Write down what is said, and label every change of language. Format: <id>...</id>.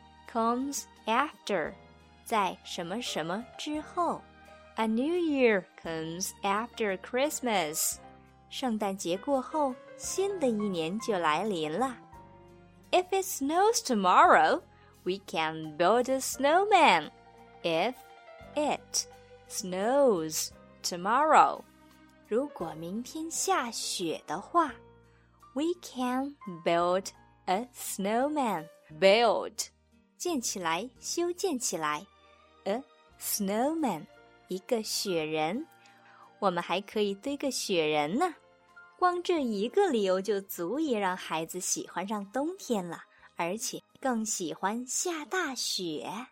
<en>Comes after,</en> <zh>在什么什么之后。</zh> <en>A new year comes after Christmas.</en> <zh>圣诞节过后，新的一年就来临了。</zh> <en>If it snows tomorrow, we can build a snowman. If it snows tomorrow.</en> <zh>如果明天下雪的话</zh> <en>We can build a snowman. Build</en> <zh>建起来，修建起来。</zh> <en>A snowman</en> <zh>一个雪人，我们还可以堆个雪人呢。光这一个理由就足以让孩子喜欢上冬天了，而且更喜欢下大雪。</zh>